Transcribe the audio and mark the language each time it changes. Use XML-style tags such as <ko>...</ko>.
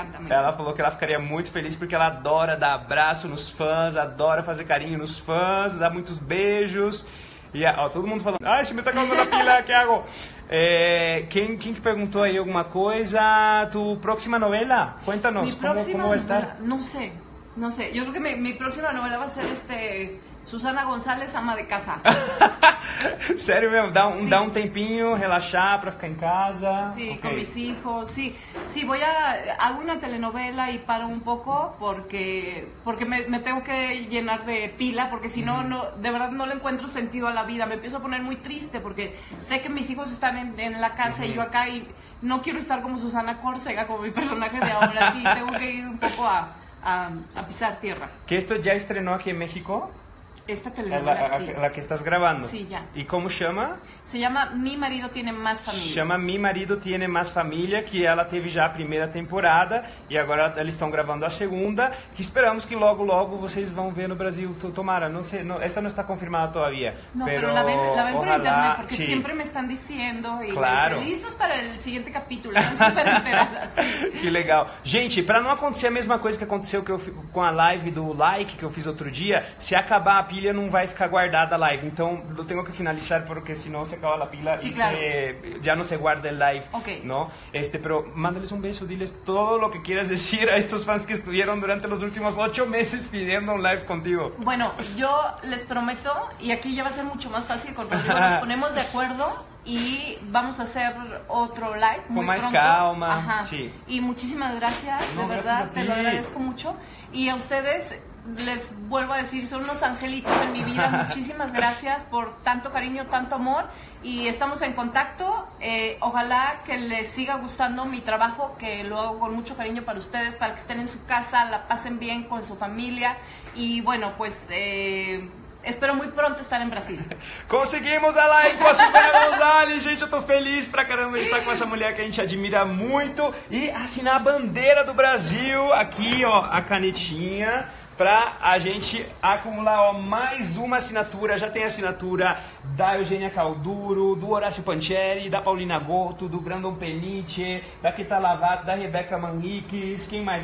<pt>Ela falou que ela ficaria muito feliz porque ela adora dar abraço nos fãs, adora fazer carinho nos fãs, dar muitos beijos. E yeah, todo mundo falando, ai,</pt> <es>se me está causando a pila, que hago?</es> <pt>Quem que perguntou aí alguma coisa?</pt> <es>Tu próxima novela? Cuéntanos,</es> <pt>próxima como vai estar? Não sei,</pt> <es>No sé, yo creo que mi próxima novela va a ser Susana González, ama de casa.</es> <pt>Sério mesmo, dá um tempinho, relaxar para ficar em casa.</pt> <es>Sí, okay. Con mis hijos, sí. Sí, voy a hago una telenovela y paro un poco porque me tengo que llenar de pila, porque si no, de verdad no le encuentro sentido a la vida. Me empiezo a poner muy triste porque sé que mis hijos están en la casa y yo acá y no quiero estar como Susana Córcega, como mi personaje de ahora. Sí, tengo que ir un poco a pisar tierra. ¿Que esto ya estrenó aquí en México? Esta telenovela, sí. La que estás grabando. Sí, ya. ¿Y cómo chama? Se llama Mi Marido Tiene Más Familia. Se llama</es> <pt>Mi Marido Tiene Más Familia, que ela teve já a primeira temporada e agora eles estão gravando a segunda, que esperamos que logo, logo vocês vão ver no Brasil. Tomara, não sei, essa não está confirmada todavía.</pt> <es>No, pero la ven por internet, porque sí. Siempre me están diciendo y claro. Dicen, listos para el siguiente capítulo. Están súper enteradas.</es> <pt>Que legal. Gente, para não acontecer a mesma coisa que aconteceu com a live do like que eu fiz outro dia, se acabar a pilha não vai ficar guardada a live, então eu tenho que finalizar porque senão</pt> <es>se acaba a pila, sí, claro.</es> <pt>Já não se guarda a live,</pt> <en>ok,</en> <pt>não?</pt> <es>Pero mándales</es> <pt>um beijo,</pt> <es>diles todo o que quieras decir a estos fans que estuvieron durante los últimos 8 meses pidiendo un live contigo. Bueno, yo les prometo, y aquí ya va a ser mucho más fácil con Rodrigo, nos ponemos de acuerdo y vamos a hacer otro live muy con más pronto. Calma, ajá. Sí. Y muchísimas gracias, no, de verdad, gracias te lo agradezco mucho, y a ustedes les vuelvo a decir, son unos angelitos en mi vida. Muchísimas gracias por tanto cariño, tanto amor. Y estamos en contacto. Ojalá que les siga gustando mi trabajo, que lo hago con mucho cariño para ustedes, para que estén en su casa, la pasen bien con su familia. Y bueno, pues espero muy pronto estar en Brasil.</es> <pt>Conseguimos a live com a Susana González. Gente, eu tô feliz pra caramba de estar com essa mulher que a gente admira muito. E assinar a bandeira do Brasil. Aqui, ó, a canetinha. Pra a gente acumular, ó, mais uma assinatura. Já tem assinatura da Eugênia Calduro, do Horácio Pancheri, da Paulina Goto, do Brandon Peniche, da Kita Lavato, da Rebeca Manriquez, quem mais?</pt>